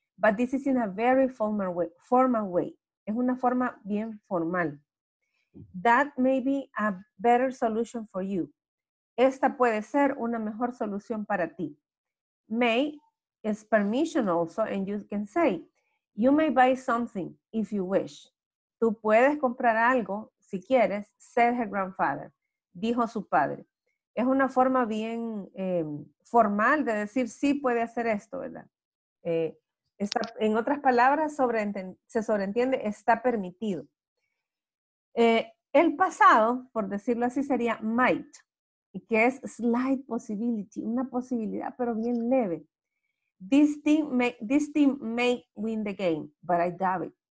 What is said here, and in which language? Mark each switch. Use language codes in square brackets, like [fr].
[en] But this is in a very formal way. [es] Es una forma bien formal. [en] That may be a better solution for you. [es] Esta puede ser una mejor solución para ti. [en] May is permission also, and you can say, you may buy something if you wish. [es] Tú puedes comprar algo. Si quieres, [en] said her grandfather, [es] dijo su padre. Es una forma bien formal de decir, sí puede hacer esto, ¿verdad? En otras palabras, se sobreentiende, está permitido. El pasado, por decirlo así, sería might, que es [en] slight possibility, [es] una posibilidad, pero bien leve. [en] This team may win the game, but I doubt it.